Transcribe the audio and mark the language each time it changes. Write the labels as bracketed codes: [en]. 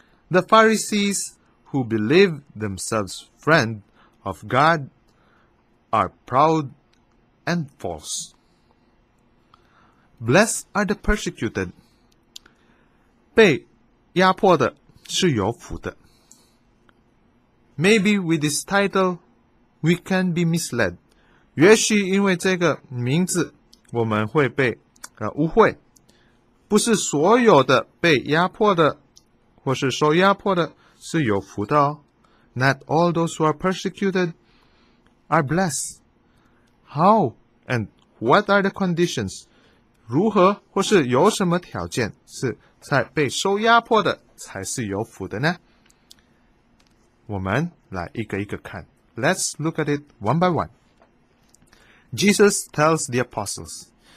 [en] The Pharisees, who believe themselves friend of God, are proud and false. Blessed are the persecuted. [zh] 被压迫的是有福的。 Maybe with this title, we can be misled. 也许因为这个名字，我们会被误会。不是所有的被压迫的，或是受压迫的，是有福的哦。 [en] Not all those who are persecuted are blessed. How and what are the conditions? 如何或是有什么条件，是在被受压迫的才是有福的呢？ [zh] 我们来一个一个看。 [en] Let's look at it one by one. Jesus tells the apostles.